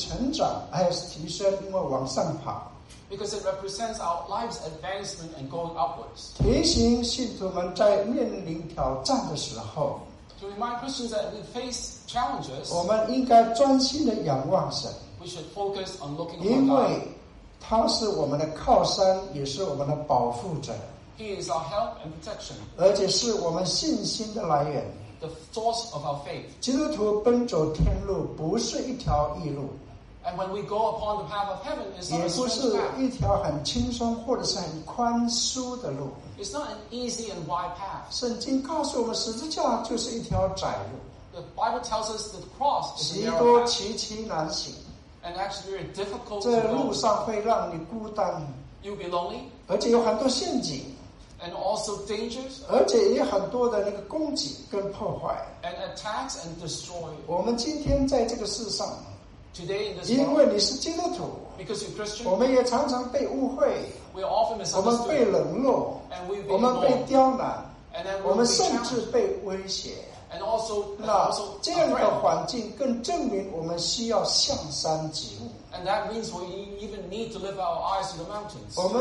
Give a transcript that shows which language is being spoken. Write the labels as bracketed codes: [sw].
[zh] 因为那个山象征着属灵生命的成长还有提升因为往上爬, [en] because it represents our life's advancement and going upwards. [zh] 提醒信徒们在面临挑战的时候, [en] to remind Christians that we face challenges, [zh] 我们应该专心地仰望神, [en] we should focus on looking upon God. [zh] 因为他是我们的靠山, 也是我们的保护者, [en] he is our help and protection, [zh] 而且是我们信心的来源, [en] the source of our faith. [zh] 基督徒奔走天路不是一条易路, [en] and when we go upon the path of heaven, it's not a strange path, [zh] 也不是一条很轻松或者是很宽疏的路, [en] it's not an easy and wide path. [zh] 圣经告诉我们十字架就是一条窄路, [en] the Bible tells us that the cross is a narrow path, [zh] 许多崎岖难行, [en] and actually very difficult to go, [zh] 这路上会让你孤单, [en] you'll be lonely, [zh] 而且有很多陷阱, [en] and also dangers, [zh] 而且也很多的那个攻击跟破坏, [en] and attacks and destroy. [zh] 我们今天在这个世上, [en] today in this world, [zh] 因为你是基督徒, [en] because you're Christian, [zh] 我们也常常被误会, [en] we are often misunderstood, [zh] 我们被冷落, [en] and we've been [zh] 我们被刁难, [en] and then [zh] 我们甚至被威胁, [en] and also, [zh] 那这样的环境更证明我们需要向山举目, [en] and that means we even need to lift our eyes to the mountains.